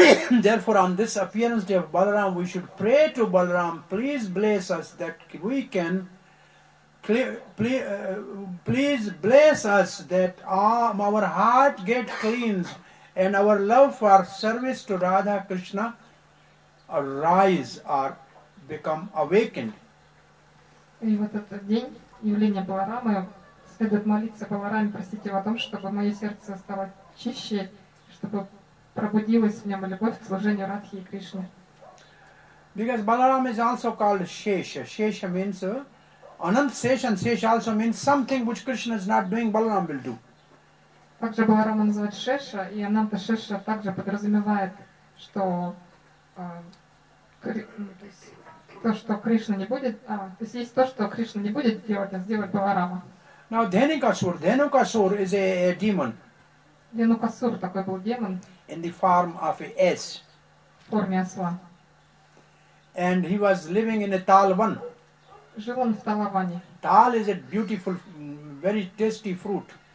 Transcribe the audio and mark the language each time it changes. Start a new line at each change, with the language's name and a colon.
English: Therefore, on this appearance day of Balaram, we should pray to Balaram, please bless us that we can, please bless us that our heart get cleansed and our love for service to Radha Krishna arise or become awakened.
Russian: И в этот день явления Баларамы следует молиться Балараме, просить его о том, чтобы мое сердце стало чище, чтобы пробудилась в нем любовь к служению Радхи и Кришне.
English: Because Balaram is also called Shesha. Shesha means Anant Shesha, and Shesha also means something which Krishna is not doing, Balaram will do.
Russian: Также Баларама называют Шеша, и Ананта Шеша также подразумевает, что то, что Кришна не будет, то есть то, что Кришна не будет делать, а сделать Баларама.
English: Now Dhenukasur is a demon.
Russian: Dhenukasur такой был демон.
English: In the form of an S.
Russian: Форме осла.
English: And he was living in a Talvan.
Russian: Жил он в Талаване.
English: Tal is a beautiful, very tasty fruit.